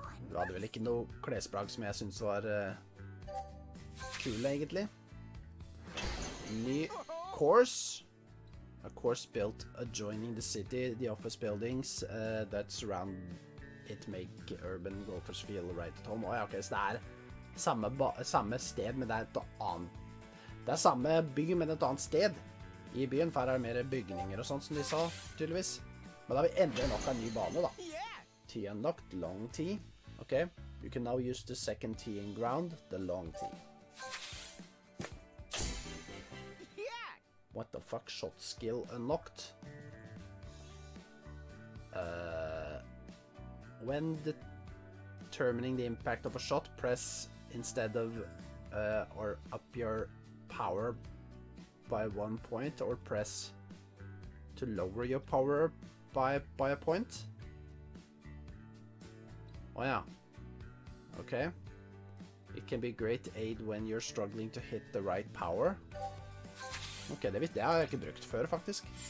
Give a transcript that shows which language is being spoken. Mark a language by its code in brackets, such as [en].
[no] Du hadde vel ikke noe klesplagg som jeg syntes var kul egentlig. Ny course. [en] A course built adjoining the city, the office buildings that surround it make urban golfers feel right at home. [no] Åja, ok, så det er samme sted, men det er et annet. Det er samme bygge, men et annet sted. I byen er det mer bygninger og sånt som de sa, tydeligvis. Men da vi endrer nok en ny bane da. [en] Tea unlocked, long tea. Ok, you can now use the second tea in ground, the long tea. What the fuck, shot skill unlocked? When determining the impact of a shot, press instead of or up your power by one point, or press to lower your power by a point. Oh yeah. Okay. It can be great aid when you're struggling to hit the right power. [no] Okay, det har jeg ikke brukt før, faktisk.